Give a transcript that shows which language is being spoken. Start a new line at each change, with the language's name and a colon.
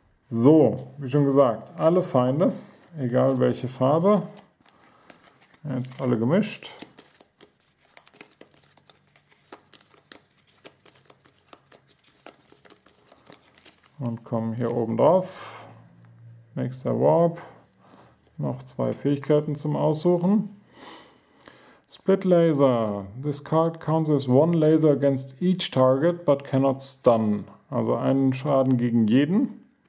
German: So, wie schon gesagt, alle Feinde, egal welche Farbe, jetzt alle gemischt. Und kommen hier oben drauf. Nächster Warp. Noch 2 Fähigkeiten zum Aussuchen. Split Laser.
English: This card counts as 1 laser against each target, but cannot stun.
German: Also einen Schaden gegen jeden.